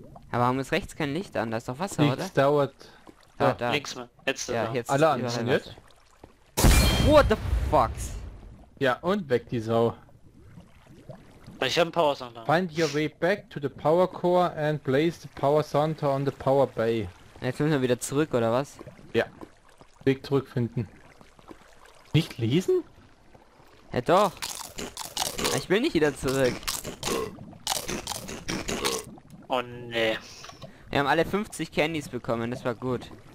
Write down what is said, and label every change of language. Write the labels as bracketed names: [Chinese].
[German] Aber warum ist rechts kein Licht an? Da ist doch Wasser, nichts oder? Nichts dauert. Ja, da. Links mal. Jetzt, ja, jetzt alle anziehen jetzt. [English] What the fuck? [German] Ja, und weg die Sau. Ich hab ein Power Center. [English] Find your way back to the Power Core and place the Power Center on the Power Bay. [German] Jetzt müssen wir wieder zurück, oder was? Ja. Weg zurückfinden. Nicht lesen? Ja doch. Ich will nicht wieder zurück. Oh nee. Wir haben alle 50 Candies bekommen, das war gut.